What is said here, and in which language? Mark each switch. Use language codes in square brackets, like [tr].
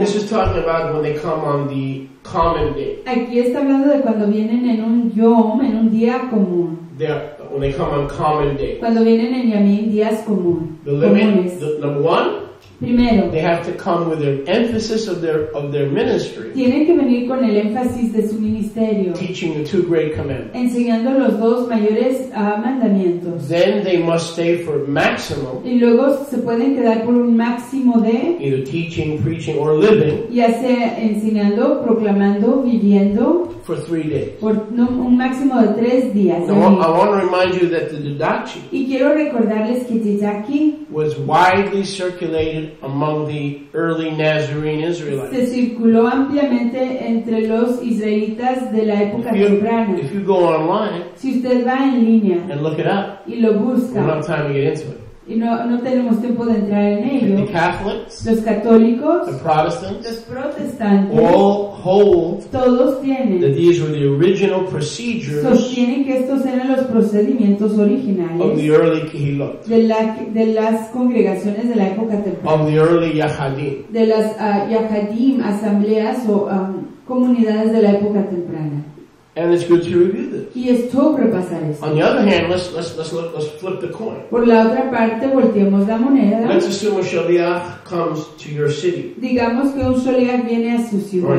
[en] This is talking about when they come on the common day. [es] Aquí está hablando de cuando vienen en un yom, en un día común. [en] When they come on common days. [es] Cuando vienen en yamim, días comunes. [en] The limit, the, number one. [es] Primero, [en] they have to come with an emphasis of their ministry. [es] Tienen que venir con el énfasis de su ministerio. [en] Teaching the two great commandments. [es] Enseñando los dos mayores mandamientos. [en] Then they must stay for maximum. [es] Y luego se pueden quedar por un máximo de. [en] Either teaching, preaching, or living. [es] Ya sea enseñando, proclamando, viviendo. [en] For 3 days. [es] Por un máximo de 3 días. [en] I want to remind you that the Didache. [es] Y quiero recordarles que Didache [en] was widely circulated among the early Nazarene Israelites. [es] Se circuló ampliamente entre los israelitas de la época temprana. [en] If you go online, [es] si usted va en línea, [en] and look it up, [es] y lo busca, [en] we don't have time to get into it. [es] Y no tenemos tiempo de entrar en ello. [en] The Catholics, [es] los católicos, [en] the Protestants, [es] los protestantes, [en] all hold, [es] todos tienen, [en] that these were the original procedures, [es] sostienen que estos eran los procedimientos originales, [en] of the early Kehilot, [es] de las congregaciones de la época temprana, [en] of the early Yahadim, [es] de las Yahadim, asambleas o comunidades de la época temprana. [en] And it's good to review this. [es] Y es todo repasar esto. [en] On the other hand, let's flip the coin. [es] Por la otra parte, volteemos la moneda. [en] Let's assume a shaliach comes to your city. [es] Digamos que un shaliach viene a su ciudad.